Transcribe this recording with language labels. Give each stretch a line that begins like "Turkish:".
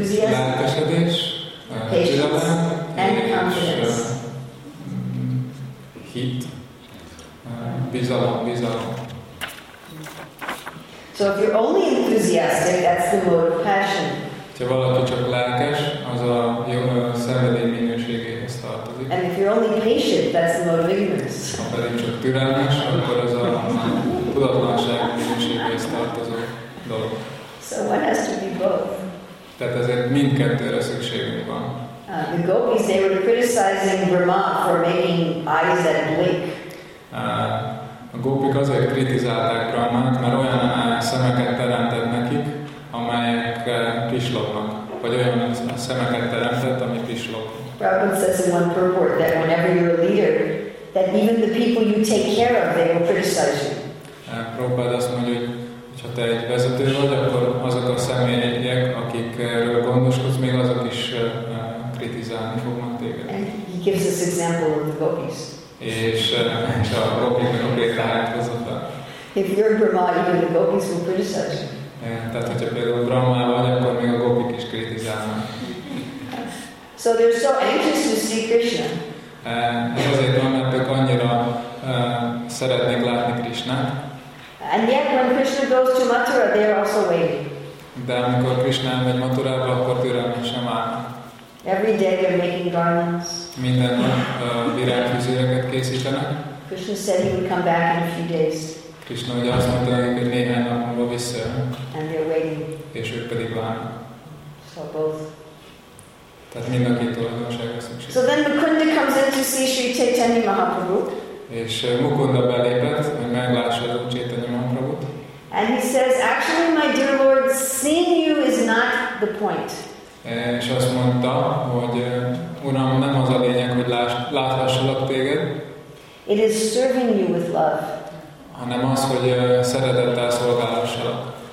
Hungarian: Lelkesedés, türelem, és hit, bizalom.
English: So if you're only enthusiastic, that's the mode of passion.
Hungarian: Ha valaki csak lelkes, az a jó szenvedély minőségéhez tartozik.
English: And if you're only patient, that's the mode of ignorance.
Hungarian: Ha pedig csak türelmes, akkor az a tudatlanság minőségéhez tartozó dolog.
English: So one has to be both.
Hungarian: Tehát ezért mindkettőre szükségünk van.
English: The gopis, they were criticizing Brahma for making eyes that blink.
Hungarian: A gópik azért kritizálták Brahmát, mert olyan szemeket teremtett nekik, amelyek pislognak, vagy olyan szemeket teremtett, ami pislog.
English: Prabhupada says in one purport that whenever you're a leader, that even the people you take care of, they will criticize you.
Hungarian: Prabhupada azt mondja, hogy ha te egy vezető vagy, akkor azok a személyek, akikről gondoskodsz, még azok is kritizálni fognak téged.
English: And he gives us example of the gopis.
Hungarian: És a gopik meg a példáját hozott.
English: If you're Brahma, even the gopis will criticize you.
Hungarian: Tehát, hogyha például Brahma vagy, akkor még a gopik is kritizálnak.
English: So they're so anxious to see Krishna.
Hungarian: Ez azért van, mert ők annyira szeretnék látni Krishnát.
English: And yet when Krishna goes to Mathura, they are also waiting.
Hungarian: De amikor Krishna megy Mathurába, akkor türelmi sem áll.
English: Every day they're making garlands.
Hungarian: Minden nap virágfűzőket készítenek.
English: Krishna said he would come back in a few days.
Hungarian: Krishna ugye azt mondta, hogy néhány nap múlva visszajön.
English: And they're waiting.
Hungarian: És ők pedig várnak.
English: So both.
Hungarian: Tehát mind a két tulajdonságra szükség.
English: So then Mukunda comes in to see Sri Chaitanya Mahaprabhu.
Hungarian: És Mukunda belépett, hogy meglássa Sri Chaitanya Mahaprabhut.
English: And he says, actually, my dear Lord, seeing you is not the point.
Hungarian: És azt mondta, hogy Uram, nem az a lényeg, hogy láthassalak téged.
English: It is serving you with love.
Hungarian: Hanem az, hogy szeretettel szolgálhassalak.